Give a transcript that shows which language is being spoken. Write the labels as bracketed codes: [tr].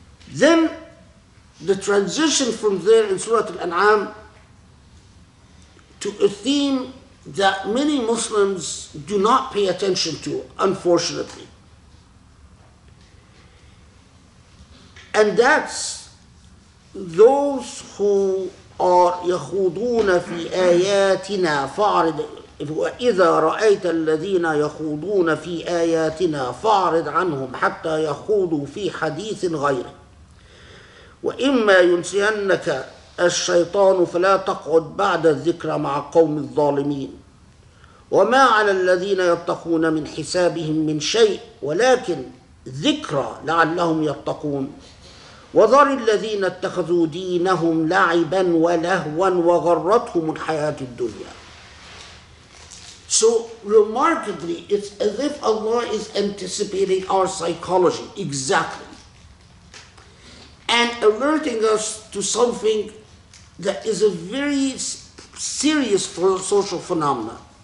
[en] Then the transition from there in Surah Al-An'am to a theme that many Muslims do not pay attention to, unfortunately. And that's those who are [ar] يخوضون في آياتنا فاعرض وإذا رأيت الذين يخوضون في آياتنا فاعرض عنهم حتى يخوضوا في حديث غيره وإما ينسينك الشيطان فلا تقعد بعد الذكرى مع قوم الظالمين وما على الذين يتقون من حسابهم من شيء ولكن ذكرى لعلهم يتقون وَذَرِ الَّذِينَ اتَّخَذُوا دِينَهُمْ لَعِبًا وَلَهْوًا وَغَرَّتْهُمُ الْحَيَاةُ الدُّنْيَا. [en] So, remarkably, it's as if Allah is anticipating our psychology, exactly. And alerting us to something that is a very serious social phenomenon.